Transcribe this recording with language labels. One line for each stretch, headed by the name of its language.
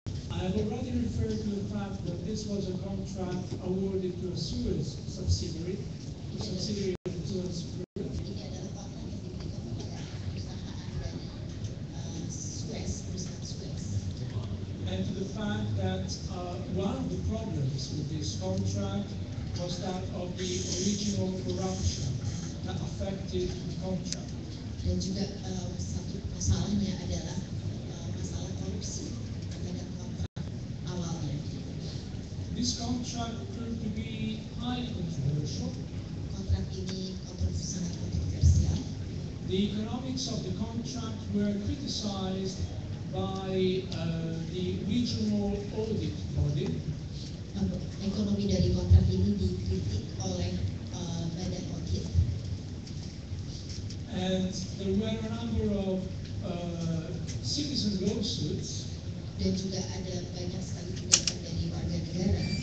English: I have already referred to the fact that this was a contract awarded to a Suez subsidiary, a subsidiary of the Suez Group.
Indonesian: Ini adalah kontrak yang diberikan kepada perusahaan Suez.
English: And to the fact that one of the problems with this contract was that of the original corruption that affected the contract.
Indonesian: Dan juga satu masalahnya adalah masalah korupsi pada kontrak awalnya.
English: This contract proved to be highly controversial.
Indonesian: Kontrak ini sangat kontroversial.
English: The economics of the contract were criticized by the regional audit body.
Indonesian: Ekonomi dari kontrak ini dikritik oleh badan audit.
English: And there were a number of citizen lawsuits.
Indonesian: Dan juga ada banyak sekali gugatan dari warga negara.